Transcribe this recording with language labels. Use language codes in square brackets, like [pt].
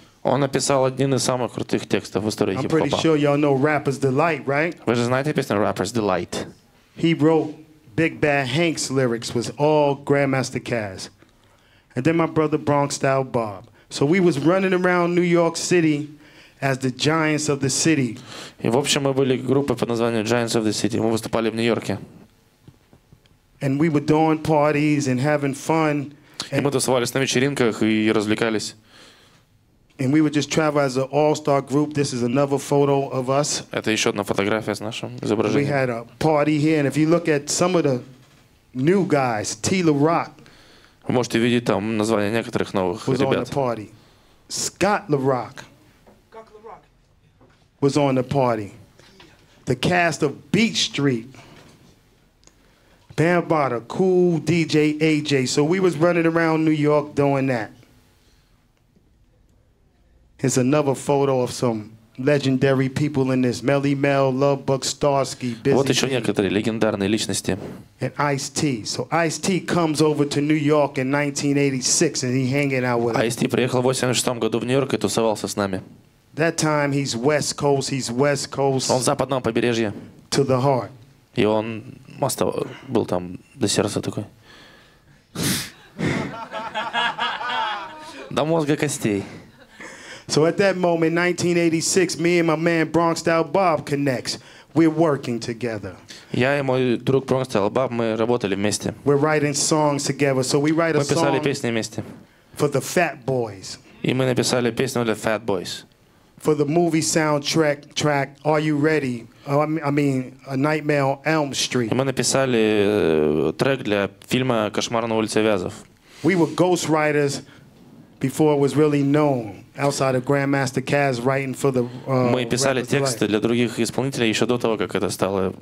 [ru] Он написал один из самых крутых текстов в истории хип-хопа. [en] I'm pretty sure y'all know Rapper's Delight, right? [ru] Вы же знаете песню Rapper's Delight. [en] He wrote Big Bad Hank's lyrics was all Grandmaster Caz. And then my brother Bronx Style Bob. So we was running around New York City as the Giants of the City. [ru] И в общем мы были группой под названием Giants of the City. Мы выступали в Нью-Йорке. [en] And we were doing parties and having fun. [ru] И мы тусовались на вечеринках и развлекались. [en] And we would just travel as an all-star group. This is another photo of us. [ru] Это еще одна фотография с нашим изображением. [en] We had a party here, and if you look at some of the new guys, T. La Rock. [ru] Вы можете видеть там название некоторых новых [en] was [ru] ребят. [en] Was on the party. Scott La Rock. Was on the party. The cast of Beach Street. Bam Bada, cool DJ AJ. So we was running around New York doing that. Here's another photo of some legendary people in this. Melly Mel, Love Buck, Starsky, Busy. [ru] Вот еще некоторые легендарные личности. [en] And Ice-T. So Ice-T comes over to New York in 1986 and he hanging out with us. [ru] Ice-T приехал в 86 году в Нью-Йорк и тусовался с нами. [en] That time he's West Coast. [ru] Он западного побережья. [en] To the heart. [ru] И он [en] must have [ru] был там до сердца такой. До мозга костей. [en] So at that moment, 1986, me and my man Bronx Style Bob connects. We're working together. [ru] Я и мой друг Bronx Style Bob, мы работали вместе. [en] We're writing songs together. So we write a song. [ru] Мы писали песни вместе. [en] For the Fat Boys. [ru] И мы написали песню для Fat Boys. [en] For the movie soundtrack track, Are You Ready? A Nightmare on Elm Street. [ru] Мы написали трек для фильма «Кошмар на улице Вязов». [en] We were ghostwriters before it was really known. Outside of Grandmaster Caz writing for the [ru] мы писали тексты для других исполнителей еще до того, как это стало